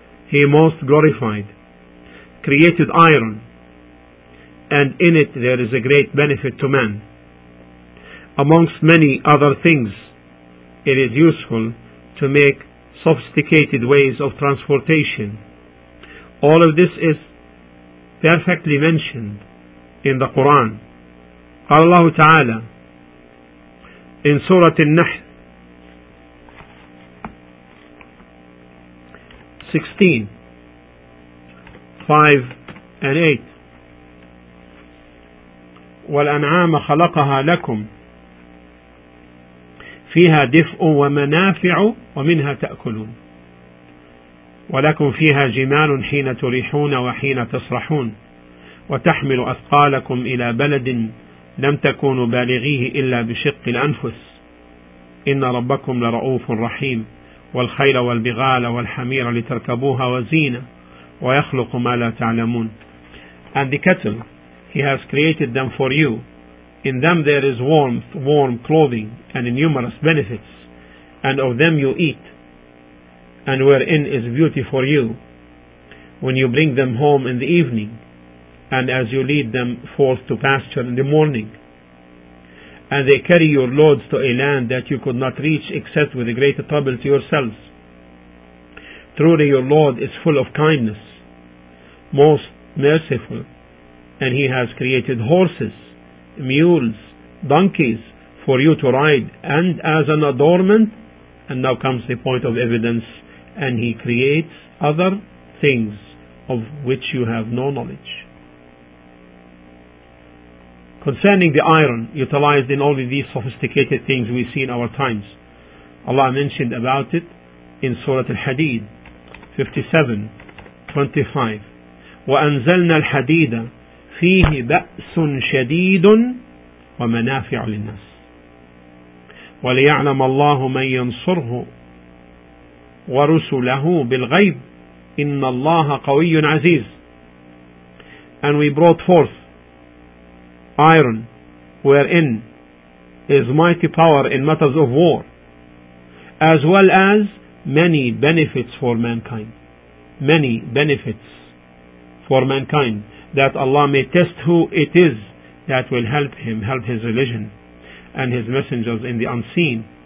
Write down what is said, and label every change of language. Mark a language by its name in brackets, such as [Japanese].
[English] He most glorified created iron, and in it there is a great benefit to man. Amongst many other things, it is useful to make sophisticated ways of transportation. All of this is perfectly mentioned in the Quran. [Arabic] قال الله تعالى [English] in Surah An-Nahl 16:5-8, [Arabic] والأنعام خلقها لكم فيها دفء ومنافع ومنها تأكلون ولكم فيها جمال حين تريحون وحين تسرحون وتحمل أثقالكم إلى بلد لم تكونوا بالغيه إلا بشق الأنفس إن ربكم لرؤوف رحيم والخيل والبغال والحمير لتركبوها وزينة ويخلق ما لا تعلمون. [English] And the cattle, He has created them for you. In them there is warmth, warm clothing, and numerous benefits. And of them you eat. And wherein is beauty for you, when you bring them home in the evening, and as you lead them forth to pasture in the morning. And they carry your loads to a land that you could not reach except with great trouble to yourselves. Truly your Lord is full of kindness, most merciful, and He has created horses, mules, donkeys for you to ride, and as an adornment. And now comes the point of evidence. And He creates other things of which you have no knowledge. Concerning the iron utilized in all of these sophisticated things we see in our times, Allah mentioned about it in Surah Al-Hadid 57:25, [Arabic] وأنزلنا الحديد فيه بأس شديد ومنافع للناس وليعلم الله من ينصره ورسله بالغيب إن الله قوي عزيز. [English] And we brought forth iron wherein is mighty power in matters of war, as well as many benefits for mankind. Many benefits for mankind, that Allah may test who it is that will help him, help his religion and his messengers in the unseen.